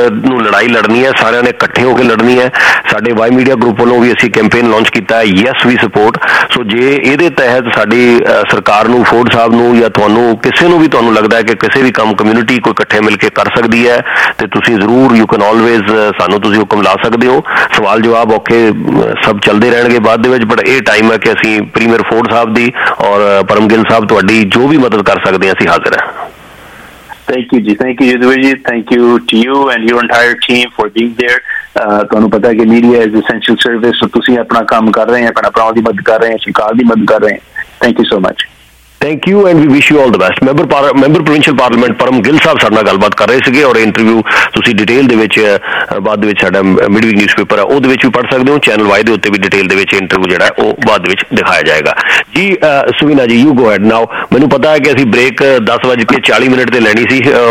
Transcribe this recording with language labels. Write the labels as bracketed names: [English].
[Punjabi] ਨੂੰ ਲੜਾਈ ਲੜਨੀ ਹੈ ਸਾਰਿਆਂ ਨੇ ਇਕੱਠੇ ਹੋ ਕੇ ਲੜਨੀ ਹੈ ਸਾਡੇ ਵਾਈ ਮੀਡੀਆ ਗਰੁੱਪ ਵੱਲੋਂ ਵੀ ਅਸੀਂ ਕੈਂਪੇਨ ਲਾਂਚ ਕੀਤਾ ਹੈ [English] yes we support [Punjabi] ਸੋ ਜੇ ਇਹਦੇ ਤਹਿਤ ਸਾਡੀ ਸਰਕਾਰ ਨੂੰ ਫੋਰਡ ਸਾਹਿਬ ਨੂੰ ਜਾਂ ਤੁਹਾਨੂੰ ਕਿਸੇ ਨੂੰ ਵੀ ਤੁਹਾਨੂੰ ਲੱਗਦਾ ਹੈ ਕਿ ਕਿਸੇ ਵੀ ਕੰਮ ਕਮਿਊਨਿਟੀ ਕੋਈ ਇਕੱਠੇ ਮਿਲ ਕੇ ਕਰ ਸਕਦੀ ਹੈ ਤੇ ਤੁਸੀਂ ਜ਼ਰੂਰ [English] you can always [Punjabi] ਸਾਨੂੰ ਤੁਸੀਂ ਹੁਕਮ ਲਾ ਸਕਦੇ ਹੋ ਸਵਾਲ ਜਵਾਬ ਔਖੇ ਸਭ ਚੱਲਦੇ ਰਹਿਣਗੇ ਬਾਅਦ ਦੇ ਵਿੱਚ ਬਟ ਇਹ ਟਾਈਮ ਹੈ ਕਿ ਅਸੀਂ ਪ੍ਰੀਮੀਅਰ ਫੋਰਡ ਸਾਹਿਬ ਦੀ ਔਰ ਪਰਮਗਿੱਲ ਸਾਹਿਬ ਤੁਹਾਡੀ ਜੋ ਵੀ ਮਦਦ ਕਰ ਸਕਦੇ ਹਾਂ ਅਸੀਂ ਹਾਜ਼ਰ ਹਾਂ [English] Thank you, Ji. Thank you, Yudhvir Ji. Thank you to you and your entire team for being there. [Punjabi] ਤੁਹਾਨੂੰ ਪਤਾ ਹੈ ਕਿ [English] media is essential service [Punjabi] ਤੁਸੀਂ ਆਪਣਾ ਕੰਮ ਕਰ ਰਹੇ ਹੋ ਆਪਣਾ ਭਰਾਵਾਂ ਦੀ ਮਦਦ ਕਰ ਰਹੇ ਹੋ ਸਰਕਾਰ ਦੀ ਮਦਦ ਕਰ ਰਹੇ ਹੋ [English] thank you so much thank you and we wish you all the best [Punjabi] member provincial parliament ਪਰਮ ਗਿੱਲ ਸਾਹਿਬ ਸਾਡੇ ਨਾਲ ਗੱਲਬਾਤ ਕਰ ਰਹੇ ਸੀਗੇ ਔਰ ਇੰਟਰਵਿਊ ਤੁਸੀਂ ਡਿਟੇਲ ਦੇ ਵਿੱਚ ਬਾਅਦ ਵਿੱਚ ਸਾਡਾ ਮਿਡਵੀਕ ਨਿਊਜ਼ ਪੇਪਰ ਹੈ ਉਹਦੇ ਵਿੱਚ ਵੀ ਪੜ੍ਹ ਸਕਦੇ ਹੋ ਚੈਨਲ ਵਾਈ ਦੇ ਉੱਤੇ ਵੀ ਡਿਟੇਲ ਦੇ ਵਿੱਚ ਇੰਟਰਵਿਊ ਜਿਹੜਾ ਉਹ ਬਾਅਦ ਵਿੱਚ ਦਿਖਾਇਆ ਜਾਏਗਾ ਜੀ ਸੁਵਿਨਾ ਜੀ [English] you go ahead now [Punjabi] ਮੈਨੂੰ ਪਤਾ ਹੈ ਕਿ ਅਸੀਂ ਬ੍ਰੇਕ 10:40 ਤੇ ਲੈਣੀ ਸੀ